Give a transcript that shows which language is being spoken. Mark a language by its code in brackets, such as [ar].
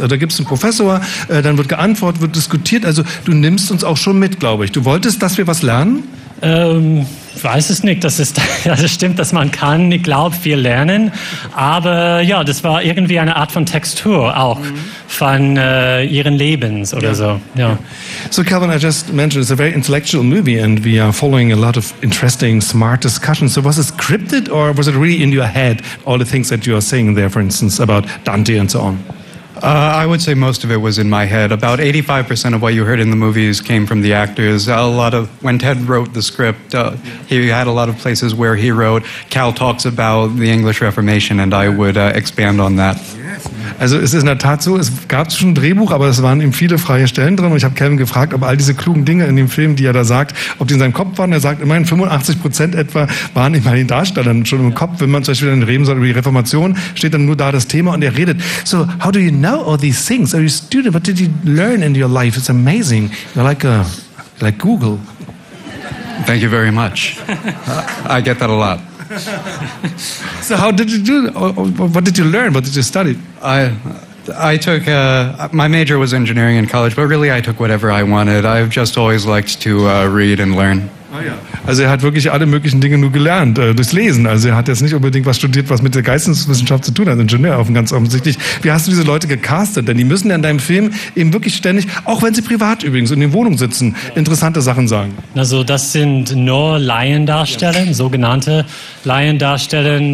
[de] Also da gibt es einen Professor, dann wird geantwortet, wird diskutiert. Also du nimmst uns auch schon mit, glaube ich. Du wolltest, dass wir was lernen? Weiß es nicht, das stimmt, dass man kann, ich glaube, viel lernen. Aber ja, das war irgendwie eine Art von Textur auch von ihren Lebens oder so. Ja. [en] So, Calvin, I just mentioned it's a very intellectual movie and we are following a lot of interesting, smart discussions. So was it scripted or was it really in your head, all the things that you are saying there, for instance, about Dante and so on? I would say most of it was in my head. About 85% of what you heard in the movies came from the actors. When Ted wrote the script, he had a lot of places where he wrote, Cal talks about the English Reformation, and I would expand on that. [de] Also es ist in der Tat so, es gab schon ein Drehbuch, aber es waren eben viele freie Stellen drin. Und ich habe Calvin gefragt, ob all diese klugen Dinge in dem Film, die er da sagt, ob die in seinem Kopf waren. Er sagt, immerhin 85% etwa waren eben bei den Darstellern schon im Kopf. Wenn man zum Beispiel dann reden soll über die Reformation, steht dann nur da das Thema und er redet. [en] So, how do you know all these things? Are you a student? What did you learn in your life? It's amazing. You're like Google. Thank you very much. I get that a lot. So how did you do, what did you learn, what did you study? My major was engineering in college, but really I took whatever I wanted. I've just always liked to read and learn. [de] Also er hat wirklich alle möglichen Dinge nur gelernt, durchs Lesen. Also er hat jetzt nicht unbedingt was studiert, was mit der Geisteswissenschaft zu tun hat, Ingenieur auf ganz offensichtlich. Wie hast du diese Leute gecastet? Denn die müssen ja in deinem Film eben wirklich ständig, auch wenn sie privat übrigens in den Wohnungen sitzen, interessante Sachen sagen. Also das sind nur Laiendarsteller, sogenannte Laiendarsteller.